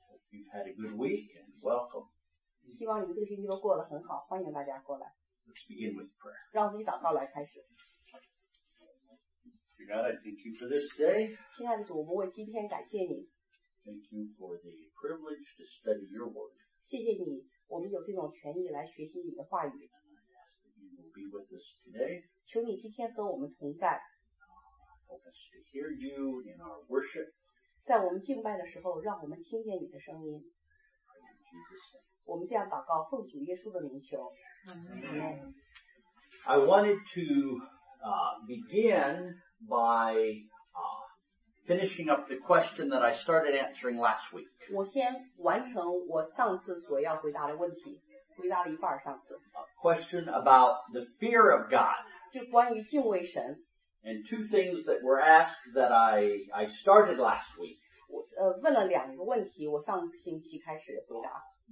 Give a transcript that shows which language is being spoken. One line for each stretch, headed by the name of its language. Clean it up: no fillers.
English: You've had a good week and welcome.
Chinese: 希望你们这个星期都过得很好，欢迎大家过来。
English: Let's begin with prayer.
Chinese: 让我们以祷告来开始。
English: Dear God, I thank you for this day.
Chinese: 亲爱的主，我们为今天感谢你。
English: Thank you for the privilege to study your word.
Chinese: 谢谢你，我们有这种权益来学习你的话语。
English: And I ask that you will be with us today.
Chinese: 求你今天和我们同在。
English: Help us to hear you in our worship.
Chinese: 在我们敬拜的时候，让我们听见你的声音。我们这样祷告，奉主耶稣的名求。
English: I wanted to begin by finishing up the question that I started answering last week.
Chinese: 我先完成我上次所要回答的问题，回答了一半上次。
English: A question about the fear of God.
Chinese: 就关于敬畏神。
English: And two things that were asked that I started last week.
Chinese: 我问了两个问题，我上星期开始回答。